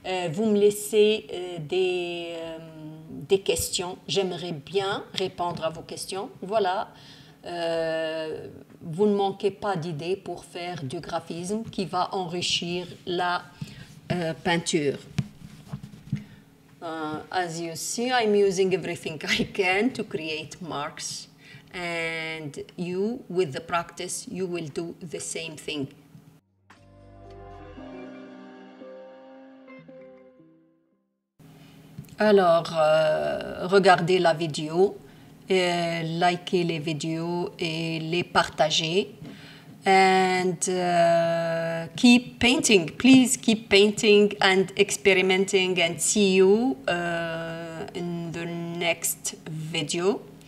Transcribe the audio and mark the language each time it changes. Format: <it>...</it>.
<fr>Vous me laissez des questions. J'aimerais bien répondre à vos questions. Voilà. Vous ne manquez pas d'idées pour faire du graphisme qui va enrichir la peinture.</fr> <en>As you see, I'm using everything I can to create marks. And you, with the practice, you will do the same thing.</en> <fr>Alors, regardez la vidéo, likez les vidéos et les partagez.</fr> <en>And keep painting, please keep painting and experimenting, and see you in the next video.</en>